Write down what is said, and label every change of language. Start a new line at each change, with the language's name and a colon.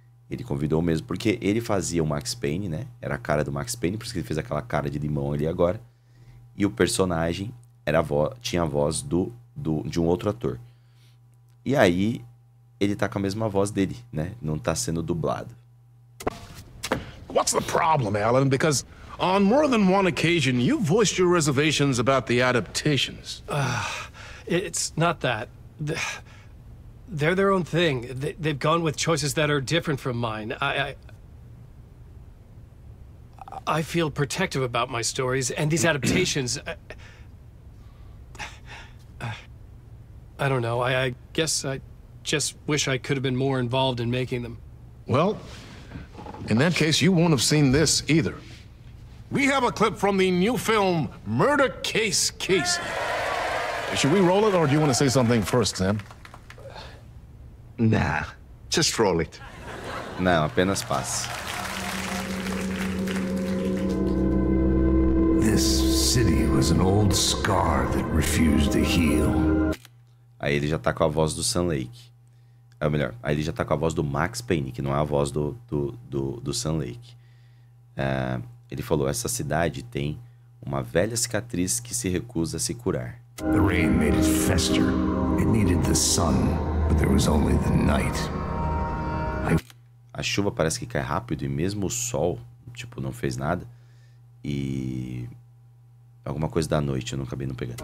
Portuguese: Ele convidou o mesmo, porque ele fazia o Max Payne, né? Era a cara do Max Payne, por isso que ele fez aquela cara de limão ali agora. E o personagem era tinha a voz de um outro ator. E aí, ele tá com a mesma voz dele, né? Não tá sendo dublado.
English: What's the problem, Alan? Because on more than one occasion, you voiced your reservations about the adaptations. It's not that. They're their own thing. They've gone with choices that are different from mine. I feel protective about my stories and these adaptations. I don't know. I guess I just wish I could have been more involved in making them. Well, in that case, you won't have seen this either. We have a clip from the new film, Murder Case Casey. Should we roll it, or do you want to say something first, Sam? Nah, just roll it.
Portuguese: Não, apenas passe.
English: This city was an old scar that refused to heal.
Portuguese: Aí ele já tá com a voz do Sam Lake. É melhor, aí ele já tá com a voz do Max Payne, que não é a voz do Sam Lake. Ele falou, essa cidade tem uma velha cicatriz que se recusa a se curar.
English: The rain made it fester. It needed the sun, but there was only the night.
Portuguese: A chuva parece que cai rápido e mesmo o sol, tipo, não fez nada. E alguma coisa da noite, eu não acabei não pegando.